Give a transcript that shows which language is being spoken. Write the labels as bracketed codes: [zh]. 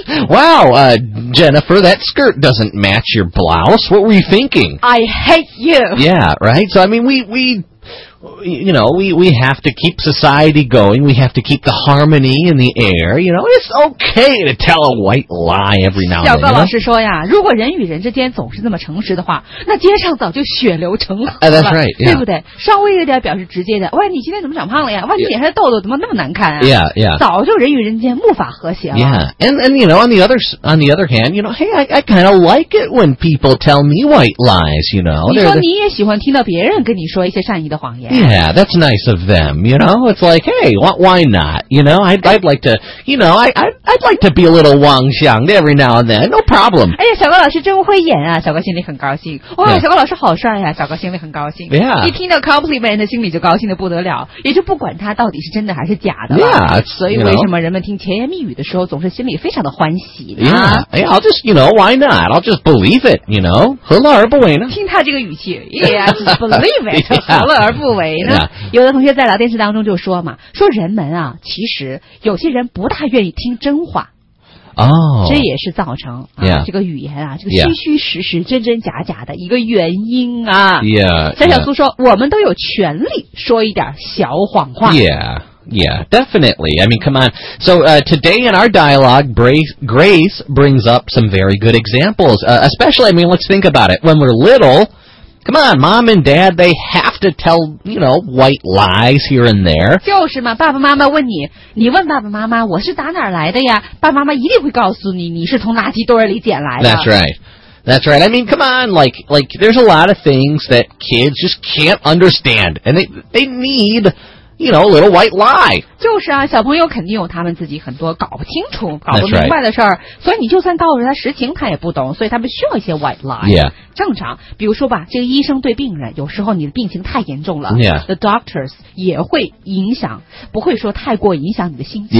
[en] wow, Jennifer, that skirt doesn't match your blouse. What were you thinking? I hate you. Yeah, right? So, I mean, we... You know, we have to keep society going. We have to keep the harmony in the air. You know, it's okay to tell a white lie every now and then. [zh] 小高老师说呀，如果人与人之间总是这么诚实的话，那街上早就血流成河了。 [en] That's right.、Yeah. [zh] 对不对？稍微有点表示直接的，喂，你今天怎么长胖了呀？哇，你脸上的痘痘怎么那么难看啊 [en] ？Yeah, yeah. [zh] 早就人与人间木法和谐了。 [en] Yeah, and you know, on the other hand, you know, hey, I kind of like it when people tell me white lies. You know, [zh] 你说你也喜欢听到别人跟你说一些善意的谎言。 [en] Yeah, that's nice of them, you know? It's like, hey, why not? You know, I'd like to, you know, I'd like to be a little Wang Xiang every now and then. No problem. [zh] 哎呀，小高老师真会演啊，小高心里很高兴。哇、 [en] yeah. [zh] 小高老师好帅呀、啊、小高心里很高兴。 [en] Yeah. [zh] 一听到 compliment, 心里就高兴得不得了。也就不管他到底是真的还是假的了。 [en] Yeah, [zh] 所以为什么人们听甜言蜜语的时候总是心里非常的欢喜呢 [en] yeah. yeah, I'll just, you know, why not? I'll just believe it, you know? 何乐而不为呢 [zh] 听他这个语气 Yeah, believe it, 何乐而不为回呢？有的同学在聊天室当中就说嘛，说人们啊，其实有些人不大愿意听真话。哦，这也是造成啊 [en] yeah, [zh] 这个语言啊，这个虚虚实实、 [en] yeah. [zh] 真真假假的一个原因啊。 [en] Yeah, [zh] 小小苏说， yeah. 我们都有权利说一点小谎话。 [en] Yeah. Yeah, definitely. I mean, come on. So, today in our dialogue, Grace brings up some very good examples. Especially, I mean, let's think about it. When we're little, come on, mom and dad, they have to tell, you know, white lies here and there. [zh] 就是嘛，爸爸妈妈问你，你问爸爸妈妈，我是打哪儿来的呀？爸爸妈妈一定会告诉你，你是从垃圾堆里捡来的。 [en] That's right. That's right. I mean, come on, like, there's a lot of things that kids just can't understand, and they need... You know, a little white lie. [zh] 就是啊，小朋友肯定有他们自己很多搞不清楚、搞不明白的事儿， [en] right. [zh] 所以你就算告诉他实情，他也不懂，所以他们需要一些 white lie. [en] Yeah. [zh] 正常，比如说吧，这个医生对病人，有时候你的病情太严重了， [en] yeah. [zh] The doctors 也会影响，不会说太过影响你的心情，